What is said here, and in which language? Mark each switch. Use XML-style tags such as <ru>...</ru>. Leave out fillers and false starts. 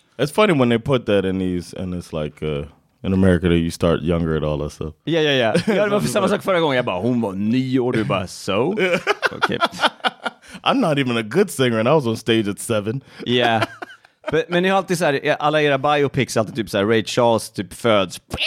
<en>It's funny when they put that in these, and it's like in America that you start younger and all that stuff. Yeah, yeah, yeah.</en> <sv>Jag hade varit samma sak förra gången. Jag bara, hon var 9 år. Du bara, so?</sv> <en>Okay. I'm not even a good singer and I was on stage at 7. Yeah.</en> <sv>Men ni har alltid så här, alla era biopics alltid typ så här, Ray Charles typ föds.</sv>